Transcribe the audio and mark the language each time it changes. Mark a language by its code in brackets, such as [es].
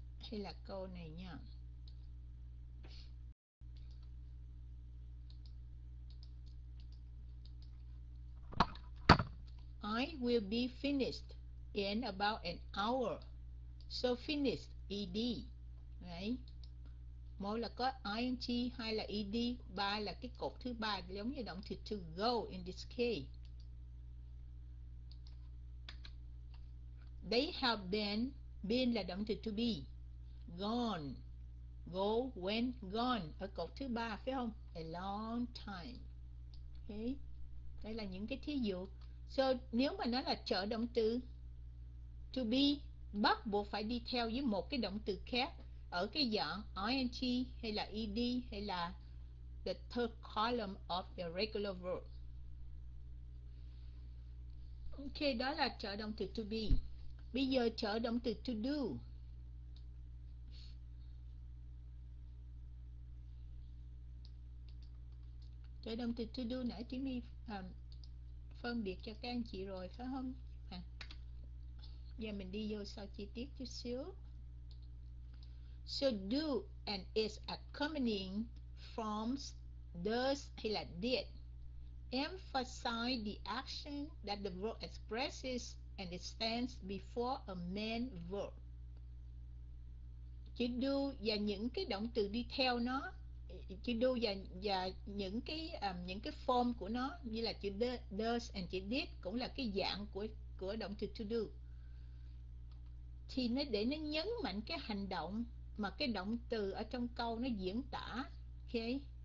[vi] Hay là câu này nha. [en] I will be finished in about an hour. So finished, ed, right? [vi] Một là có ing, hai là ed, ba là cái cột thứ ba giống như động từ to go [en] in this case. [vi] They have been là động từ to be, gone, go, went, gone ở cột thứ ba phải không? [en] A long time. Okay. [vi] Đây là những cái thí dụ. So nếu mà nó là trợ động từ to be, bắt buộc phải đi theo với một cái động từ khác ở cái dạng ing hay là ed hay là [en] the third column of the regular verb. [vi] Ok, đó là trợ động từ to be. Bây giờ trợ động từ to do. Trợ động từ to do nãy Timmy phân biệt cho các anh chị rồi phải không? À, giờ mình đi vô sau chi tiết chút xíu. [en] So do and is accompanying forms does [vi] hay là [en] did emphasize the action that the verb expresses and it stands before a main verb. [vi] Chữ do và những cái động từ đi theo nó, chữ do và những cái form của nó như là chữ does and chữ did cũng là cái dạng của động từ to do. Thì nó để nó nhấn mạnh cái hành động mà cái động từ ở trong câu nó diễn tả, okay?